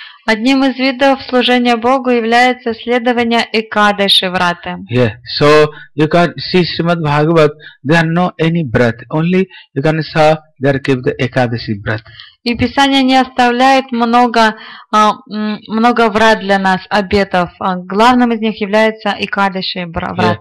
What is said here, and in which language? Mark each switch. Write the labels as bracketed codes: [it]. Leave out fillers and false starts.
[ru] Одним из видов служения Богу является следование экадаши врата. [en] Yeah, so you can see Srimad Bhagavat, there are no any brat, only you can see there keep the ekadasi brat. [ru] И Писание не оставляет много врат для нас, обетов. Главным из них является экадаши врата.